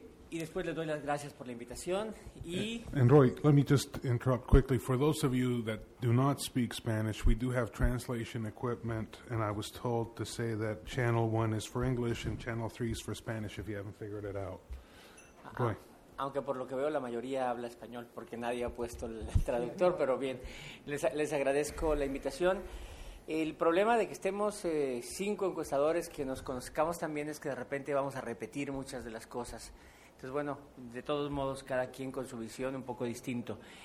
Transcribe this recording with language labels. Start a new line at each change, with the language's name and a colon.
Spanish: Y después les doy las gracias por la invitación.
English: And Roy, let me just interrupt quickly. For those of you that do not speak Spanish, we do have translation equipment, and I was told to say that channel 1 is for English and channel 3 is for Spanish if you haven't figured it out. Roy.
Spanish: Aunque por lo que veo la mayoría habla español porque nadie ha puesto el traductor, pero bien, les agradezco la invitación. El problema de que estemos 5 encuestadores que nos conozcamos también es que de repente vamos a repetir muchas de las cosas. Entonces, bueno, de todos modos, cada quien con su visión un poco distinto.